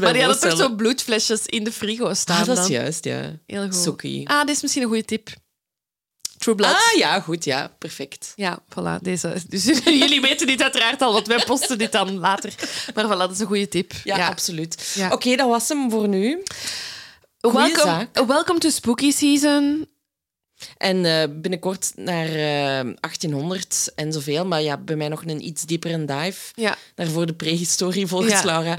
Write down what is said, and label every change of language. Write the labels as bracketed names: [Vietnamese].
[Dutch] voorstellen. Maar die hadden toch zo bloedflesjes in de frigo staan. Ah, dat is dan. Juist, ja. Heel goed. Sookie. Ah, dit is misschien een goede tip. True Blood. Ah, ja, goed, ja. Perfect. Ja, voilà. Deze. Dus jullie weten dit uiteraard al, want wij posten dit dan later. Maar voilà, dat is een goede tip. Ja, ja. Absoluut. Ja. Oké, dat was hem voor nu. [English] Welcome to spooky season. [Dutch] En binnenkort naar 1800 en zoveel. Maar ja, bij mij nog een iets dieper een dive. Ja. Daarvoor de prehistorie volgens Laura.